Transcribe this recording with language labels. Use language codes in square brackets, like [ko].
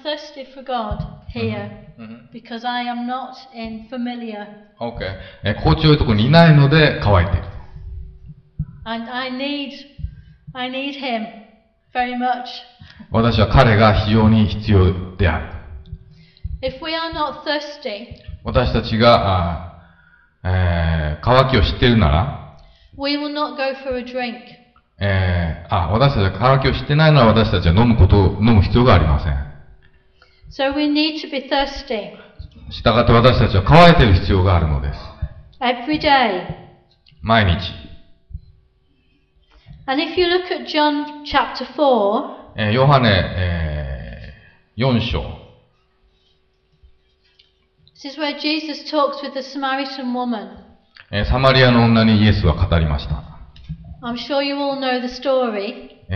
[en] thirsty for God here because I am not in familiar. Okay. [ja] 心地よいところにいないので乾いている。 [en] And I need him very much. [ja] 私は彼が非常に必要である。 [en] If we are not thirsty, [ja] 私たちが乾きを知っているなら、 [en] we will not go for a drink. [ja] 私たちが乾きを知っていないなら、私たちは飲むことを飲む必要がありません。 [en] So we need to be thirsty. [ja] したがって私たちは乾いている必要があるのです。 [en] Every day. [ja] 毎日。 [en] And if you look at John chapter 4, [ja] ヨハネ、4章。 [en] This is where Jesus talks with the Samaritan woman. [ja] サマリアの女にイエスは語りました。 [en] I'm sure you all know the story.